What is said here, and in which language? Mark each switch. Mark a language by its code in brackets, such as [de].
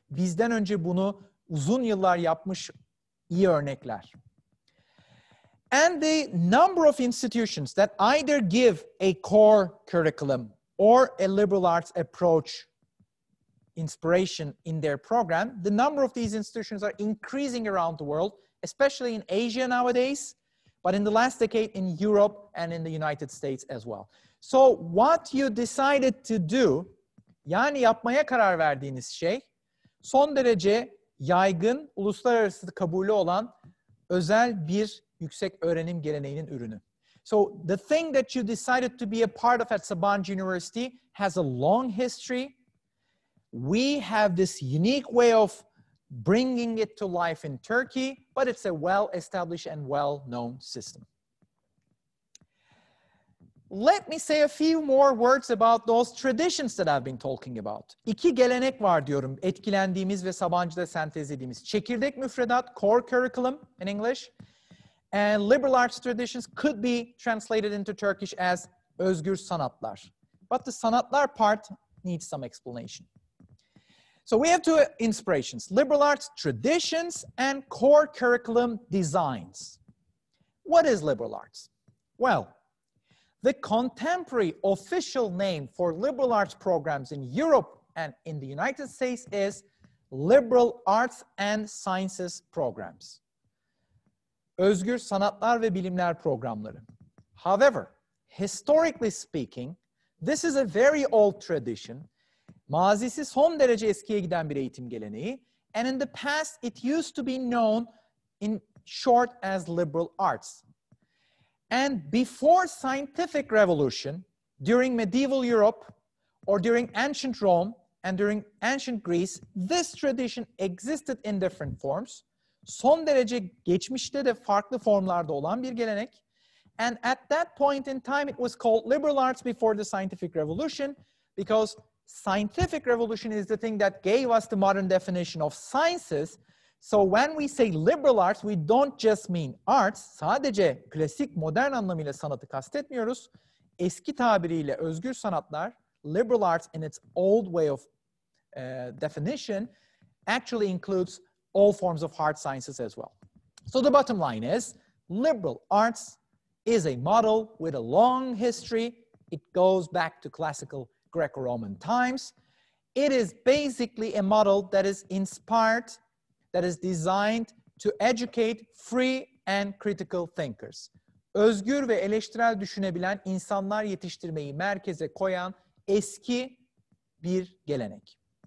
[tr] Bizden önce bunu uzun yıllar yapmış iyi örnekler. [en] And the number of institutions that either give a core curriculum or a liberal arts approach inspiration in their program, the number of these institutions are increasing around the world, especially in Asia nowadays, but in the last decade in Europe and in the United States as well. So what you decided to do, [tr] yani yapmaya karar verdiğiniz şey, son derece yaygın, uluslararası kabulü olan özel bir yüksek öğrenim geleneğinin ürünü. [en] So the thing that you decided to be a part of at Sabancı University has a long history. We have this unique way of bringing it to life in Turkey, but it's a well-established and well-known system. Let me say a few more words about those traditions that I've been talking about. [tr] İki gelenek var diyorum, etkilendiğimiz ve Sabancı'da sentezlediğimiz. [en] Çekirdek müfredat, core curriculum in English, and liberal arts traditions could be translated into Turkish as özgür sanatlar. But the sanatlar part needs some explanation. So we have two inspirations, liberal arts traditions and core curriculum designs. What is liberal arts? Well, the contemporary official name for liberal arts programs in Europe and in the United States is liberal arts and sciences programs. [tr] Özgür sanatlar ve bilimler programları. [en] However, historically speaking, this is a very old tradition. [tr] Mazisi son derece eskiye giden bir eğitim geleneği. [en] And in the past, it used to be known in short as liberal arts. And before scientific revolution, during medieval Europe, or during ancient Rome, and during ancient Greece, this tradition existed in different forms. [tr] Son derece geçmişte de farklı formlarda olan bir gelenek. [en] And at that point in time, it was called liberal arts before the scientific revolution, because scientific revolution is the thing that gave us the modern definition of sciences. So when we say liberal arts, we don't just mean arts. [tr] Sadece klasik modern anlamıyla sanatı kastetmiyoruz. Eski tabiriyle özgür sanatlar, [en] liberal arts in its old way of definition, actually includes all forms of hard sciences as well. So the bottom line is, liberal arts is a model with a long history. It goes back to classical Greco-Roman times. It is basically a model that is inspired, that is designed to educate free and critical thinkers. [tr] Özgür ve eleştirel düşünebilen insanlar yetiştirmeyi merkeze koyan eski bir gelenek.